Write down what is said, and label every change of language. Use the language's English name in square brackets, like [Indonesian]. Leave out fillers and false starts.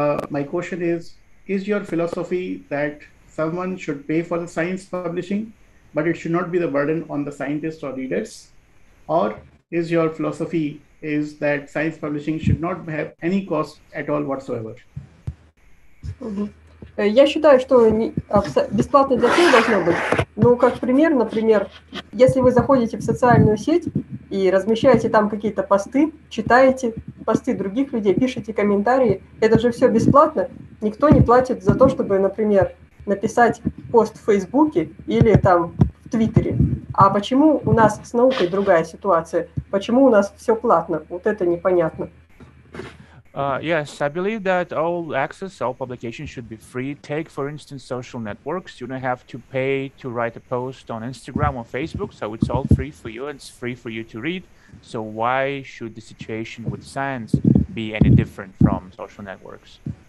[English] My question is your philosophy that someone should pay for the science publishing, but it should not be the burden on the scientists or readers? Or is your philosophy is that science publishing should not have any cost at all whatsoever? [Russian] Я считаю, что бесплатно для всех должно быть. Ну, как пример, например, если вы заходите в социальную сеть и размещаете там какие-то посты, читаете посты других людей, пишете комментарии, это же все бесплатно. Никто не платит за то, чтобы, например, написать пост в Фейсбуке или там в Твиттере. А почему у нас с наукой другая ситуация? Почему у нас все платно? Вот это непонятно. [English] Yes, I believe that all access, all publications should be free. Take, for instance, social networks. You don't have to pay to write a post on Instagram or Facebook, so it's all free for you, and it's free for you to read. So why should the situation with science be any different from social networks?